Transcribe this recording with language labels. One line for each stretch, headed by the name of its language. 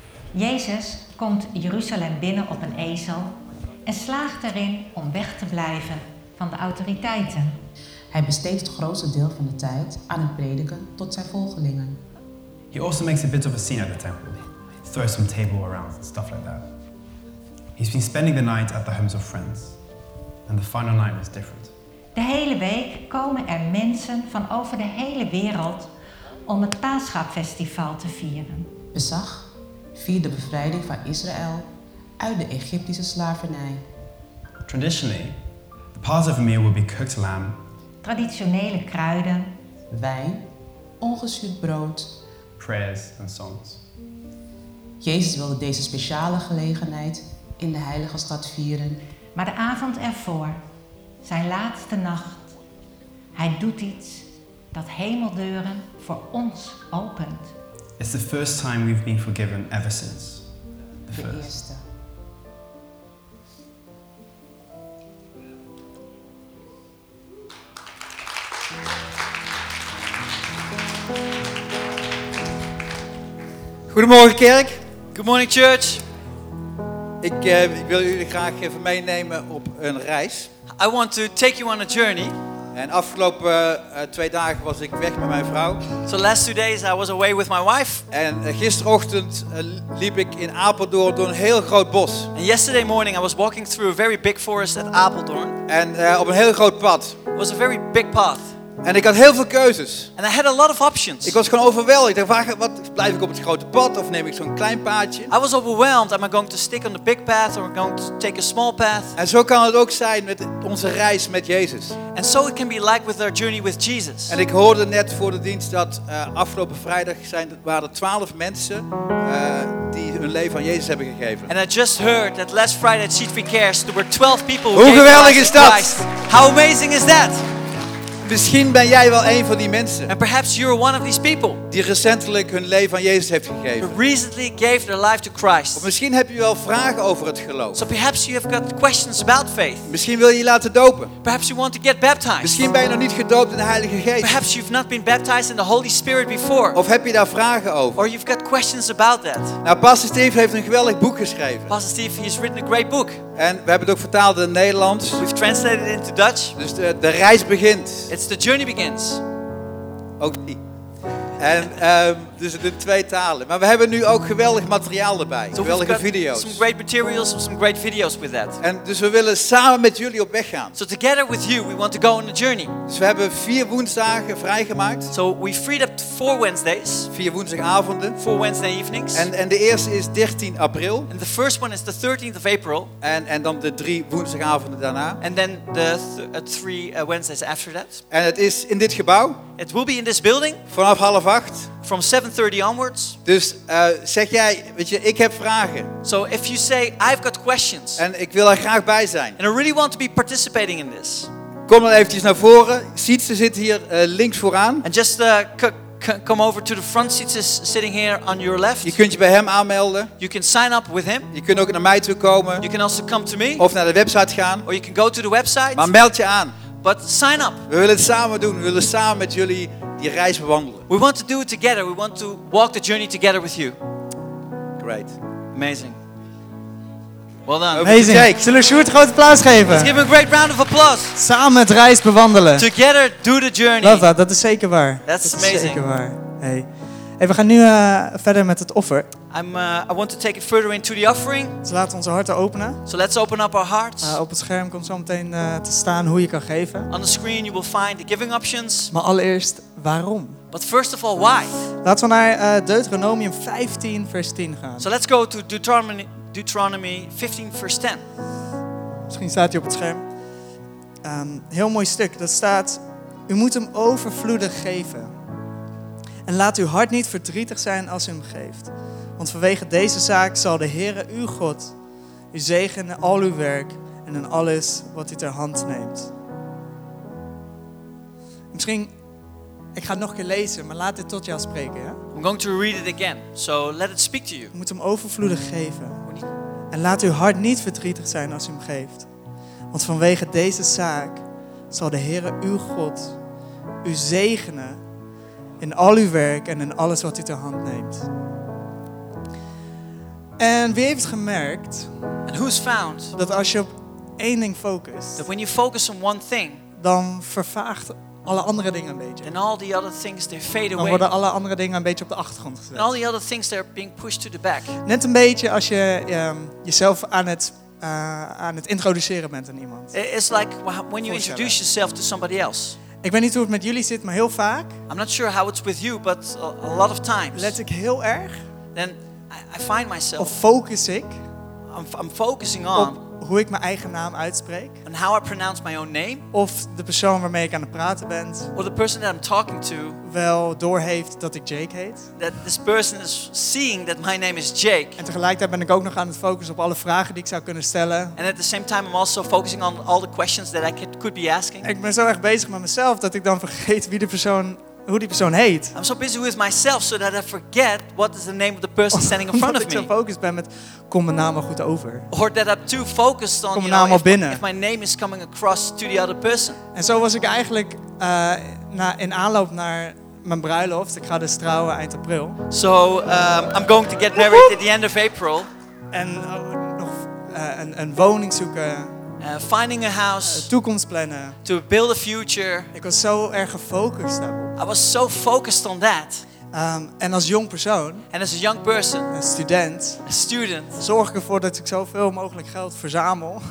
Dutch: Jezus komt Jeruzalem binnen op een ezel en slaagt erin om weg te blijven van de autoriteiten. Hij besteedt het grootste deel van de tijd aan het prediken tot zijn volgelingen.
English: He also makes a bit of a scene at the temple. He throws some table around and stuff like that. He's been spending the night at the homes of friends. And the final night was different.
Dutch: De hele week komen er mensen van over de hele wereld om het Paaschafestival te vieren. Pesach viert de bevrijding van Israël uit de Egyptische slavernij.
English: Traditionally, the part of a meal will be cooked lamb,
Dutch: traditionele kruiden, wijn, ongezuurd brood,
English: prayers and songs.
Dutch: Jezus wilde deze speciale gelegenheid in de heilige stad vieren. Maar de avond ervoor, zijn laatste nacht, hij doet iets dat hemeldeuren voor ons opent.
English: It's the first time we've been forgiven ever since.
Dutch: De eerste. Goedemorgen kerk.
English: Good morning church.
Dutch: Ik wil jullie graag even meenemen op een reis.
English: I want to take you on a journey.
Dutch: En afgelopen twee dagen was ik weg met mijn vrouw.
English: So last 2 days I was away with my wife.
Dutch: En gisterochtend liep ik in Apeldoorn door een heel groot bos.
English: And yesterday morning I was walking through a very big forest at Apeldoorn.
Dutch: En op een heel groot pad.
English: It was a very big path.
Dutch: En ik had heel veel keuzes.
English: And I had a lot of options.
Dutch: Ik was gewoon overweldigd. Ik dacht, wat blijf ik op het grote pad of neem ik zo'n klein paadje?
English: I was overwhelmed. Am I going to stick on the big path or am I going to take a small path?
Dutch: En zo kan het ook zijn met onze reis met Jezus.
English: And so it can be like with our journey with Jesus.
Dutch: En ik hoorde net voor de dienst dat afgelopen vrijdag waren er 12 mensen die hun leven aan Jezus hebben gegeven.
English: And I just heard that last Friday at Seed Free Cares there were 12 people.
Dutch: Hoe geweldig is dat?
English: How amazing is that?
Dutch: Misschien ben jij wel een van die mensen.
English: And perhaps you're one of these people.
Dutch: Die recentelijk hun leven aan Jezus heeft gegeven.
English: Recently gave their life to Christ.
Dutch: Of misschien heb je wel vragen over het geloof.
English: So perhaps you have got questions about faith.
Dutch: Misschien wil je laten dopen.
English: Perhaps you want to get baptized.
Dutch: Misschien ben je nog niet gedoopt in de Heilige Geest.
English: Perhaps you've not been baptized in the Holy Spirit before.
Dutch: Of heb je daar vragen over?
English: Or you've got questions about that.
Dutch: Nou, Pastor Steve heeft een geweldig boek geschreven.
English: Pastor Steve, he's written a great book.
Dutch: En we hebben het ook vertaald in Nederlands.
English: We've translated it into Dutch.
Dutch: Dus de reis begint.
English: It's the journey begins.
Dutch: Ook die. En dus het in twee talen. Maar we hebben nu ook geweldig materiaal erbij.
English: So
Dutch: geweldige
English: we've got
Dutch: video's.
English: Some great materials, some great videos with that.
Dutch: En dus we willen samen met jullie op weg gaan.
English: So together with you, we want to go on a journey.
Dutch: Dus we hebben 4 woensdagen vrijgemaakt.
English: So we freed up 4 Wednesdays.
Dutch: 4 woensdagavonden.
English: 4 Wednesday evenings.
Dutch: En de eerste is 13 april.
English: And the first one is the 13th of April.
Dutch: En dan de 3 woensdagavonden daarna.
English: And then the 3 Wednesdays after that.
Dutch: En het is in dit gebouw.
English: It will be in this building.
Dutch: Vanaf 7:30.
English: From 7:30 onwards.
Dutch: Dus zeg jij, weet je, ik heb vragen.
English: So if you say, I've got questions.
Dutch: En ik wil er graag bij zijn.
English: And I really want to be participating in this.
Dutch: Kom dan eventjes naar voren. Sietse zit hier links vooraan.
English: And just come over to the front. Sietse is sitting here on your left.
Dutch: Je kunt je bij hem aanmelden.
English: You can sign up with him.
Dutch: Je kunt ook naar mij toe komen.
English: You can also come to me.
Dutch: Of naar de website gaan.
English: Or you can go to the website.
Dutch: Maar meld je aan.
English: But sign up.
Dutch: We willen het samen doen. We willen samen met jullie die reis bewandelen.
English: We want to do it together. We want to walk the journey together with you. Great. Amazing. Well done. Amazing.
Dutch: Zullen we Sjoerd een groot applaus geven?
English: Let's give him a great round of applause.
Dutch: Samen het reis bewandelen.
English: Together do the journey. Love that.
Dutch: Dat is zeker waar.
English: That's amazing.
Dutch: Dat is zeker waar. Hey. Hey, we gaan nu verder met het offer.
English: I want to take it further into the offering.
Dutch: Dus laten we onze harten openen.
English: So let's open up our hearts.
Dutch: Op het scherm komt zo meteen te staan hoe je kan geven.
English: On the screen you will find the giving options.
Dutch: Maar allereerst, waarom?
English: But first of all, why?
Dutch: Laten we naar Deuteronomium 15 vers 10 gaan.
English: So let's go to Deuteronomy 15 vers 10.
Dutch: Misschien staat hij op het scherm. Heel mooi stuk. Dat staat, u moet hem overvloedig geven. En laat uw hart niet verdrietig zijn als u hem geeft. Want vanwege deze zaak zal de Heere uw God u zegenen in al uw werk en in alles wat u ter hand neemt. Misschien, ik ga het nog een keer lezen, maar laat dit tot jou spreken. Ja?
English: I'm going to read it again, so let it speak to you.
Dutch: U moet hem overvloedig geven. En laat uw hart niet verdrietig zijn als u hem geeft. Want vanwege deze zaak zal de Heere uw God u zegenen in al uw werk en in alles wat u ter hand neemt. En wie heeft gemerkt?
English: And who's found?
Dutch: Dat als je op één ding focust.
English: That when you focus on one thing.
Dutch: Dan vervaagt alle andere dingen een beetje.
English: And all the other things they fade away.
Dutch: Dan worden alle andere dingen een beetje op de achtergrond gezet.
English: And all the other things they're being pushed to the back.
Dutch: Net een beetje als je jezelf aan het introduceren bent aan iemand.
English: It's like when you introduce yourself to somebody else.
Dutch: Ik weet niet hoe het met jullie zit, maar heel vaak.
English: I'm not sure how it's with you, but a lot of times.
Dutch: Let ik heel erg.
English: then I find myself.
Dutch: Of focus ik?
English: I'm focusing on.
Dutch: Hoe ik mijn eigen naam uitspreek.
English: And how I pronounce my own name.
Dutch: Of de persoon waarmee ik aan het praten ben.
English: Or the person that I'm talking to.
Dutch: Wel doorheeft dat ik Jake heet.
English: That this person is seeing that my name is Jake.
Dutch: En tegelijkertijd ben ik ook nog aan het focussen op alle vragen die ik zou kunnen stellen.
English: And at the same time I'm also focusing on all the questions that I could be asking.
Dutch: Ik ben zo erg bezig met mezelf dat ik dan vergeet wie de persoon. Hoe die persoon heet.
English: I'm so busy with myself so that I forget what is the name of the person standing in front of me.
Dutch: Omdat ik zo focused ben met, kom mijn naam wel goed over.
English: Or that I'm too focused on,
Dutch: kom mijn naam al binnen.
English: If my name is coming across to the other person.
Dutch: En zo was ik eigenlijk in aanloop naar mijn bruiloft. Ik ga dus trouwen eind april.
English: So I'm going to get married at the end of April.
Dutch: En nog een woning zoeken.
English: Finding a house.
Dutch: Toekomst plannen.
English: To build a future.
Dutch: Ik was zo erg gefocust daarop.
English: I was so focused on that.
Dutch: En als jong persoon.
English: And as a young person. A student.
Dutch: Zorg ik ervoor dat ik zoveel mogelijk geld verzamel.